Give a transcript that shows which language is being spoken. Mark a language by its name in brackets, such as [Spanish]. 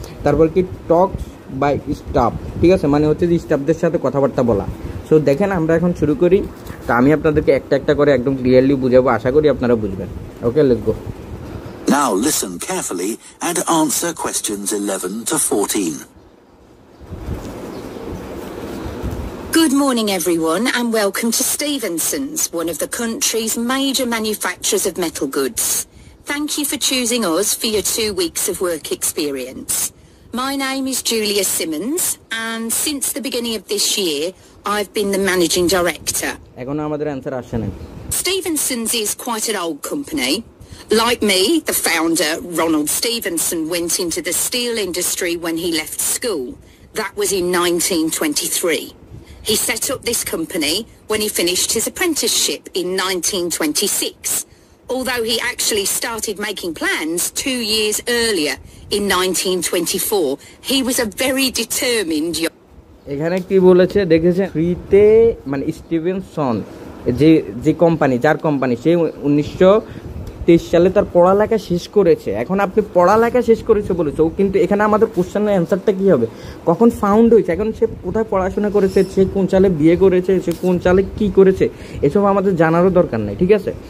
[Bangla] তারপর কি [English] talks by staff, [Bangla] ঠিক আছে, মানে হচ্ছে যে স্টাফদের সাথে কথাবার্তা বলা। সো দেখেন আমরা এখন শুরু করি, তো আমি আপনাদেরকে একটা একটা করে একদম ক্লিয়ারলি বুঝাবো, আশা করি আপনারা বুঝবেন। [English] Okay, let's go. Now listen carefully and answer questions 11 to 14। Good morning, everyone, and welcome to Stevenson's, one of the country's major manufacturers of metal goods. Thank you for choosing us for your 2 weeks of work experience. My name is Julia Simmons, and since the beginning of this year, I've been the managing director. [Bangla] এখন আমাদের answer আসছে না। [English] Stevenson's is quite an old company. Like me, the founder, Ronald Stevenson, went into the steel industry when he left school. That was in 1923. He set up this company when he finished his apprenticeship in 1926, although he actually started making plans 2 years earlier in 1924. He was a very determined young... [Bangla] এখানে কি বলেছে দেখেছেন, ফ্রিতে মানে Stevenson যে যে company যার company সে 1923 সালে তার পড়ালেখা শেষ করেছে। এখন আপনি পড়ালেখা শেষ করেছে বলেছে ও, কিন্তু এখানে আমাদের কোশ্চেনের অ্যান্সারটা কী হবে, কখন ফাউন্ড হয়েছে, এখন সে কোথায় পড়াশোনা করেছে, সে কোন চালে বিয়ে করেছে, সে কোন চালে কী করেছে, এসব আমাদের জানারও দরকার নেই, ঠিক আছে।